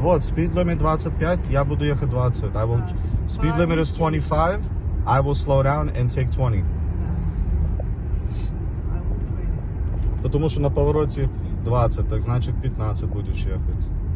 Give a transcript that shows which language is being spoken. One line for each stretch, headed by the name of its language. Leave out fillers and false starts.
Russian: Вот,
English: speed limit
Russian: 25, я буду ехать 20.
English: I will,
Russian: да.
English: Speed limit is 25, I will slow down and take 20.
Russian: Да. Потому что на повороте 20, так значит 15 будешь ехать.